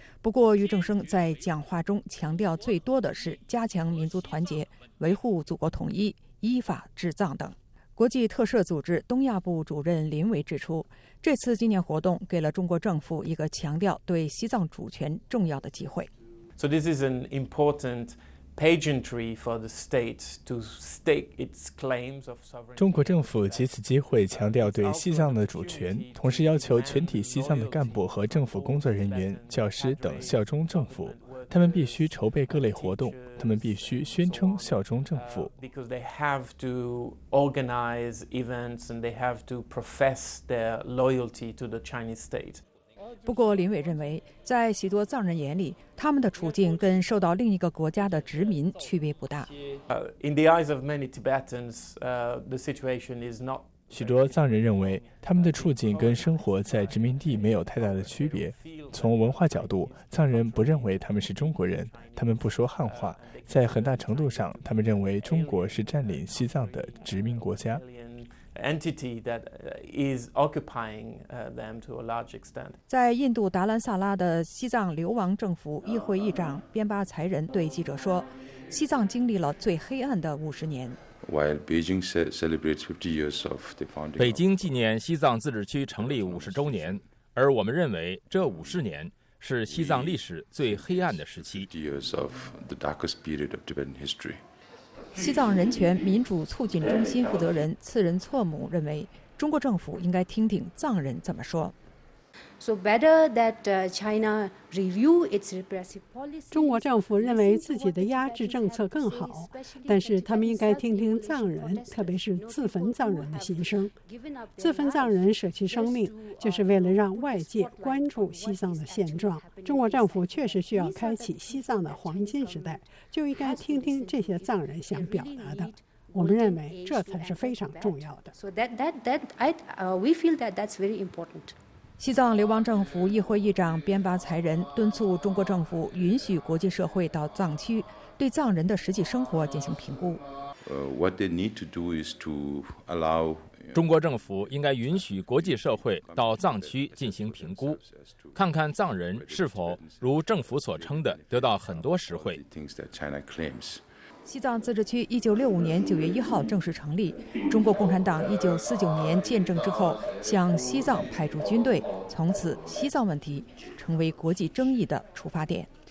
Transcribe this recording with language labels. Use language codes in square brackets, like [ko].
[zh] 不过，于正声在讲话中强调最多的是加强民族团结、维护祖国统一、依法治藏等。国际特赦组织东亚部主任林维指出，这次纪念活动给了中国政府一个强调对西藏主权重要的机会。 [en] So this is an important pageantry for the state to stake its claims of sovereignty. [zh] 中国政府借此机会强调对西藏的主权，同时要求全体西藏的干部和政府工作人员、教师等效忠政府。他们必须筹备各类活动，他们必须宣称效忠政府。 [en] Because they have to organize events and they have to profess their loyalty to the Chinese state. [zh] 不过林伟认为，在许多藏人眼里，他们的处境跟受到另一个国家的殖民区别不大。 [en] In the eyes of many Tibetans, the situation is not. [zh] 许多藏人认为，他们的处境跟生活在殖民地没有太大的区别。从文化角度，藏人不认为他们是中国人，他们不说汉话，在很大程度上，他们认为中国是占领西藏的殖民国家。 [en] Entity that is occupying them to a large extent. [zh] 在印度达兰萨拉的西藏流亡政府议会议长边巴才人对记者说，西藏经历了最黑暗的50年。 [en] While Beijing celebrates 50 years of the founding, [zh] 北京纪念西藏自治区成立50周年，而我们认为这50年是西藏历史最黑暗的时期。 [en] 50 years of the darkest period of Tibetan history. [zh] 西藏人权民主促进中心负责人次仁措姆认为，中国政府应该听听藏人怎么说。 [en] So better that China review its repressive policy. [zh] 中国政府认为自己的压制政策更好，但是他们应该听听藏人，特别是自焚藏人的心声。自焚藏人舍弃生命，就是为了让外界关注西藏的现状。中国政府确实需要开启西藏的黄金时代，就应该听听这些藏人想表达的。我们认为这才是非常重要的。 [en] So we feel that that's very important. [zh] 西藏流亡政府议会议长边巴才人敦促中国政府允许国际社会到藏区，对藏人的实际生活进行评估。 [en] What they need to do is to allow [zh] 中国政府应该允许国际社会到藏区进行评估，看看藏人是否如政府所称的得到很多实惠。西藏自治区1965年9月1号正式成立，中国共产党1949年建政之后向西藏派驻军队，从此西藏问题成为国际争议的出发点。